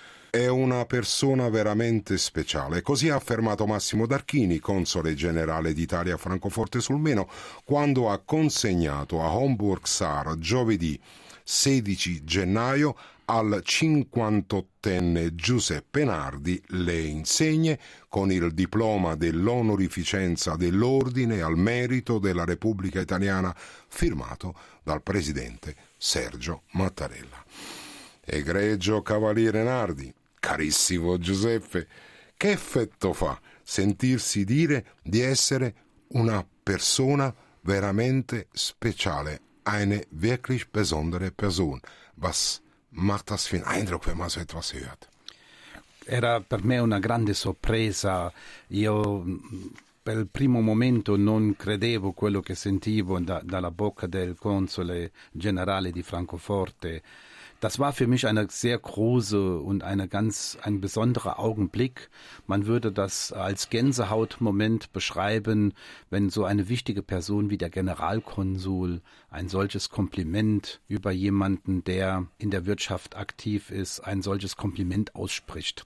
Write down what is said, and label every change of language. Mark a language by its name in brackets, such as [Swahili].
[Italian] È una persona veramente speciale, così ha affermato Massimo Darchini, console generale d'Italia a Francoforte sul Meno, quando ha consegnato a Homburg Saar giovedì 16 gennaio al 58enne Giuseppe Nardi le insegne con il diploma dell'onorificenza dell'Ordine al Merito della Repubblica Italiana firmato dal presidente Sergio Mattarella. Egregio Cavaliere Nardi, carissimo Giuseppe, che effetto fa sentirsi dire di essere una persona veramente speciale? [German] Eine wirklich besondere Person. Was macht das für einen Eindruck, wenn man so etwas hört? [Italian] Era per me una grande sorpresa. Io per il primo momento non credevo quello che sentivo dalla bocca del console generale di Francoforte. [German] Das war für mich eine sehr große und ein besonderer Augenblick. Man würde das als Gänsehautmoment beschreiben, wenn so eine wichtige Person wie der Generalkonsul ein solches Kompliment über jemanden, der in der Wirtschaft aktiv ist, ein solches Kompliment ausspricht.